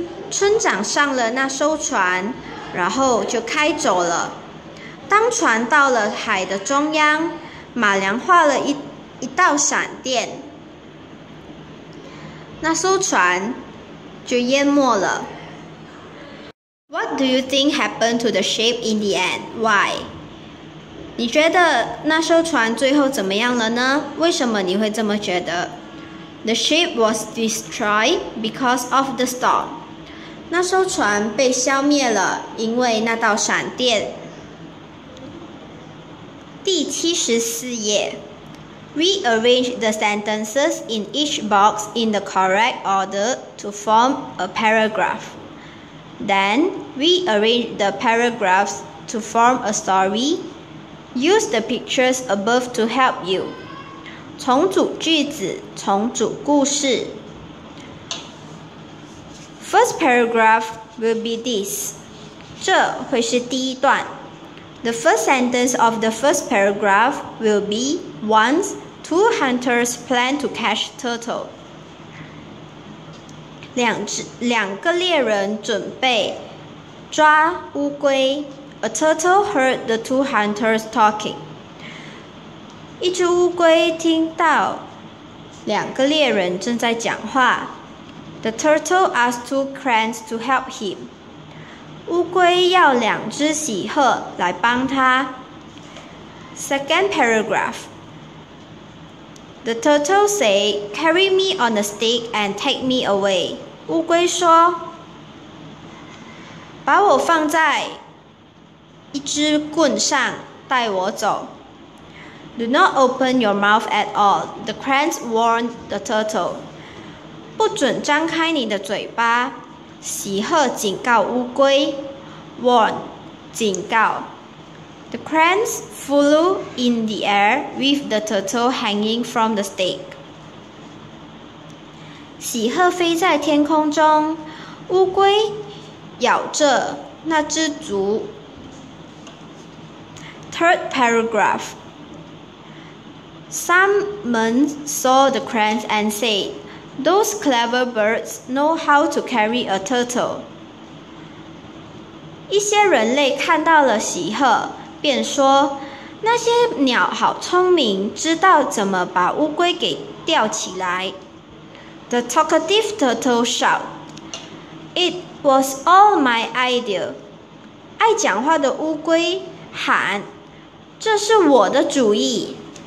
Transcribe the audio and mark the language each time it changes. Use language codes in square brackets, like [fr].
[zh] 村长上了那艘船，然后就开走了。当船到了海的中央，马良画了一道闪电，那艘船就淹没了。 [en] What do you think happened to the ship in the end? Why? [zh] 你觉得那艘船最后怎么样了呢？为什么你会这么觉得？ [en] The ship was destroyed because of the storm. [zh] 那艘船被消灭了，因为那道闪电。第74页。 [en] Rearrange the sentences in each box in the correct order to form a paragraph. Then, rearrange the paragraphs to form a story. Use the pictures above to help you. [zh] 重组句子，重组故事。 [en] First paragraph will be this. [zh] 这会是第一段。 [en] The first sentence of the first paragraph will be once two hunters plan to catch turtle. [zh] 两个猎人准备抓乌龟。 [en] A turtle heard the two hunters talking. [zh] 一只乌龟听到两个猎人正在讲话。 [en] The turtle asked two cranes to help him. [zh] 乌龟要两只喜鹤来帮他。 [en] Second paragraph. The turtle said, "Carry me on a stick and take me away." [zh] 乌龟说，把我放在一只棍上带我走。 [en] Do not open your mouth at all, the cranes warned the turtle. [zh] 不准张开你的嘴巴，喜鹤警告乌龟。 Warn, 警告。 [en] The cranes flew in the air with the turtle hanging from the stake. [zh] 喜鹤飞在天空中，乌龟咬着那只竹。 [en] Third paragraph. Some men saw the cranes and said, "Those clever birds know how to carry a turtle." [zh] 一些人类看到了喜鹤，便说，那些鸟好聪明，知道怎么把乌龟给吊起来。 [en] The talkative turtle shouted, "It was all my idea." [zh] 爱讲话的乌龟喊，这是我的主意。